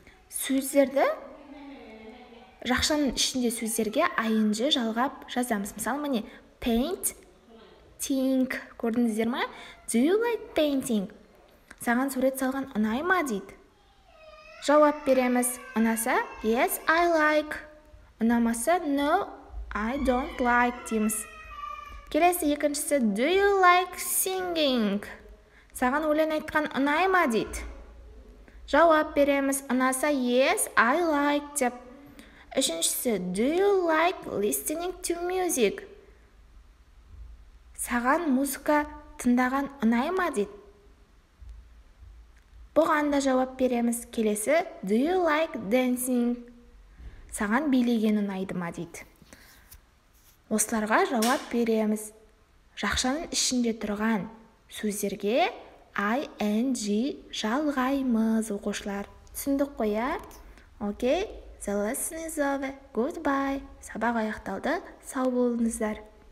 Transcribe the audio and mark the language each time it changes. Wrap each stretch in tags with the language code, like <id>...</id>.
<kk>Сөздерді жақшаның ішінде сөздерге ing жалғап жазамыз. Мысалы, міне paint, think. Көрдіңіздер ма?</kk> <en>Do you like painting?</en> <kk>Саған сурет салған ұнай ма дейді? Жауап береміз. Ұнаса,</kk> <en>yes, I like.</en> <kk>Ұнамаса,</kk> <en>no, I don't like</en> <kk>дейміз. Келесі екіншісі,</kk> <en>do you like singing?</en> <kk>Саған өлең айтқан ұнай ма дейді? Жауап береміз. Ұнаса,</kk> <en>yes, I like</en> <kk>деп. Үшіншісі,</kk> <en>do you like listening to music?</en> <kk>Саған музыка тыңдаған ұнай ма дейді? Бұған да жауап береміз. Келесі,</kk> <en>do you like dancing?</en> <kk>Саған билеген ұнайды ма дейді? Осыларға жауап береміз. Жақшаның ішінде тұрған сөздерге ing жалғаймыз оқушылар. Түсіндік қой, а?</kk> <en>Okay, the lesson is over. Goodbye.</en> <kk>Сабақ аяқталды. Сау болыңыздар.</kk>